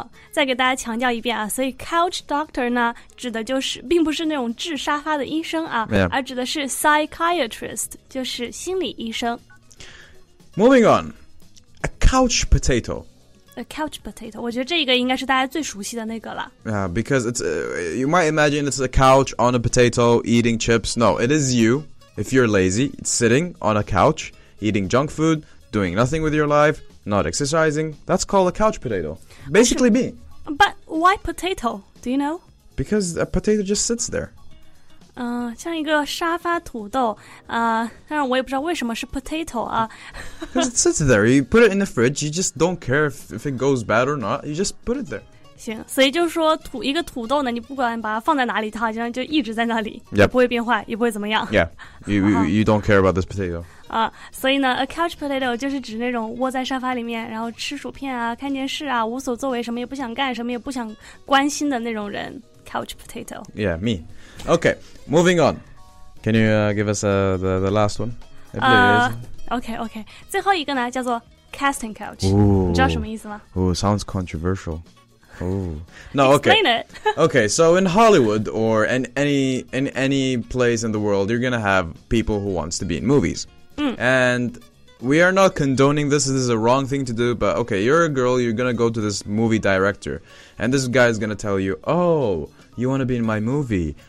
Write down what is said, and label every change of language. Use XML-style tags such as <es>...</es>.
<zh>再给大家强调一遍啊，所以 couch doctor 呢指的就是并不是那种治沙发的医生啊、</zh> <en>yeah.</en> <zh>而指的是 psychiatrist， 就是心理医生。</zh> <en>Moving on， a couch potato，</en> <zh>a couch potato， 我觉得这个应该是大家最熟悉的那个了。</zh> <en>Yeah, because it's you might imagine it's a couch on a potato eating chips. No, it is you, if you're lazy, sitting on a couch eating junk food, doing nothing with your lifeNot exercising, that's called a couch potato. Basically me. But why potato? Do you know? Because a potato just sits there.</en> <zh>像一个沙发土豆但是我也不知道为什么是 potato 啊。</zh> <en>Because it sits there. You put it in the fridge, you just don't care if it goes bad or not. You just put it there.</en> <zh>行，所以就是说一个土豆呢，你不管把它放在哪里，它好像就一直在那里、</zh> <en>yep.</en> <zh>不会变坏，也不会怎么样。</zh> <en>Yeah, you don't care about this potato.</en> <zh>所以呢 a couch potato 就是指那种窝在沙发里面然后吃薯片啊看电视啊无所作为，什么也不想干，什么也不想关心的那种人， couch potato.</zh> <en>Yeah, me. Okay, moving on. Can you give us the last one?</en> <zh>Okay, 最后一个呢叫做 casting couch.</zh> <en>Ooh,</en> <zh>你知道什么意思吗？</zh> <en>Ooh, sounds controversial. Ooh. No, okay. Explain it. Okay, so in Hollywood or in any place in the world, you're gonna have people who wants to be in moviesAnd we are not condoning this. This is a wrong thing to do. But okay, you're a girl. You're going to go to this movie director. And this guy is going to tell you, oh, you want to be in my movie?</en>